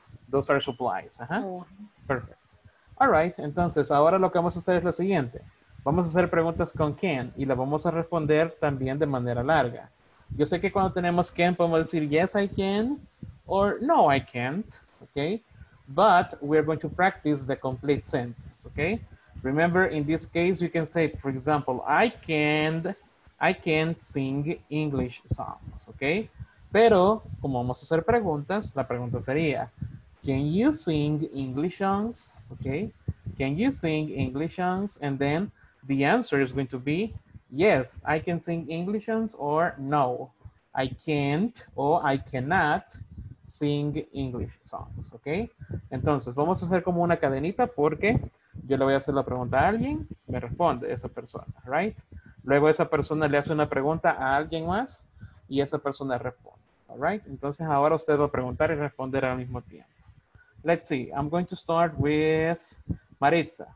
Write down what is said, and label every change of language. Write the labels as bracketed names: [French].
[English] Those are supplies, ajá. Uh-huh. Yeah. Perfect. [Spanish] All right, entonces ahora lo que vamos a hacer es lo siguiente. Vamos a hacer preguntas con Ken y las vamos a responder también de manera larga. Yo sé que cuando tenemos Ken podemos decir [English] yes I can or no I can't, [Spanish] okay? [English] But we're going to practice the complete sentence, okay? Remember, in this case, you can say, for example, I can't sing English songs, okay? [Spanish] Pero como vamos a hacer preguntas, la pregunta sería, [English] can you sing English songs, [Spanish] okay? [English] Can you sing English songs? And then the answer is going to be yes, I can sing English songs, or no, I can't or I cannot sing English songs, ok? [Spanish] Entonces, vamos a hacer como una cadenita porque yo le voy a hacer la pregunta a alguien, me responde esa persona, right? Luego esa persona le hace una pregunta a alguien más y esa persona responde, alright? Entonces, ahora usted va a preguntar y responder al mismo tiempo. [English] Let's see, I'm going to start with Maritza.